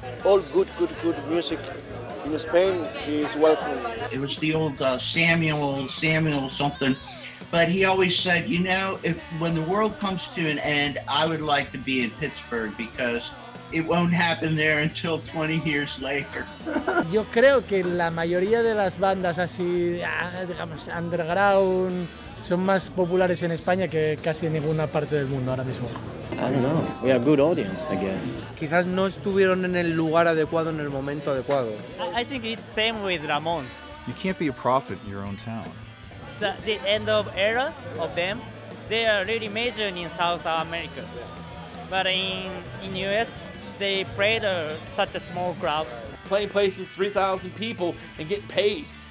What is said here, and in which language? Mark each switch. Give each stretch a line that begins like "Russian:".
English: All good music in Spain is welcome. It was the old Samuel something. But he always said, you know, if when the world comes to an end, I would like to be in Pittsburgh because it won't happen there until 20 years later.
Spanish: Yo creo que la mayoría de las bandas así, digamos, underground, son más populares en España que casi en ninguna parte del mundo ahora mismo.
English: I don't know. We are a good audience, I guess.
Spanish: Quizás no estuvieron en el lugar adecuado en el momento adecuado.
English: I think it's same with Ramones. You can't be a prophet in your own town. The end of era of them, they are really major in South America. But in US, they played such a small crowd. Playing places 3,000 people and get paid.